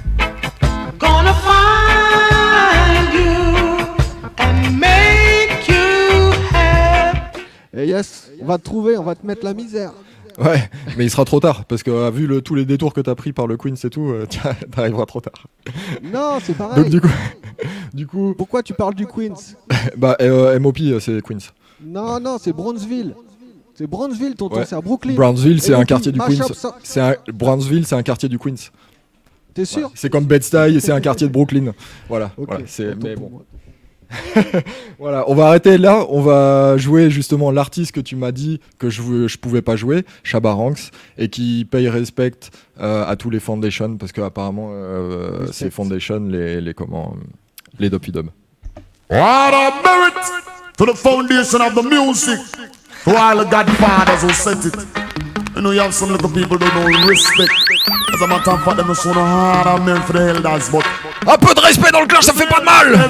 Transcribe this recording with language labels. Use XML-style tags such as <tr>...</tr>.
<en>I'm gonna find you and make you happy.</en> <fr>Hey yes, on va te trouver, on va te mettre la misère. Ouais, mais il sera trop tard, parce que vu le, tous les détours que t'as pris par le Queens et tout, t'arriveras trop tard. Non, c'est pareil. Donc du coup... Pourquoi tu parles du Queens? Bah, M.O.P. c'est Queens. Non, non, c'est Brownsville. C'est Brownsville, tonton, ouais. C'est à Brooklyn. Brownsville, c'est un quartier du Queens. C'est un... Brownsville, c'est un quartier du Queens. T'es sûr? Ouais. C'est comme Bed-Stuy, c'est un quartier de Brooklyn. Voilà, okay. Voilà, c'est... Mais bon. Voilà, on va arrêter là. On va jouer justement l'artiste que tu m'as dit que je pouvais pas jouer, Shabba Ranks, et qui paye respect à tous les foundations, parce que apparemment c'est foundation les comment les dopidum.</fr> <en>What a merit to the foundation of the music, to all the godfathers who sent it. You know you have some little people don't know respect. As a matter of fact, them son of hard a man for the elders, but</en> <fr>un peu de respect dans le clash, ça fait pas de mal.</fr>